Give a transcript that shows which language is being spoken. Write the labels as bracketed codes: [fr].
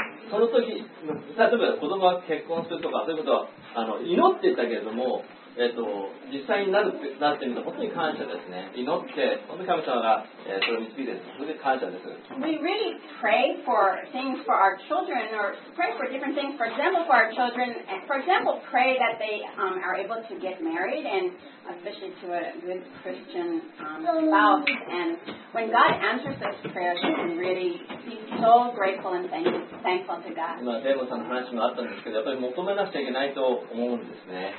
[ja] その時、例えば子供が結婚するとかそういうことはあの祈ってたけれども、実際になるってなってみると本当に感謝ですね。祈って本当に神様が、それを導いて、それで感謝です。 [en] We really pray for things for our children, or pray for different things. For example, for our children, and for example, pray that they are able to get married, and especially to a good Christian spouse. And when God answers those prayers, we can really be so grateful and thankful to God. [ja] 今デーモさんの話もあったんですけど、やっぱり求めなくちゃいけないと思うんですね。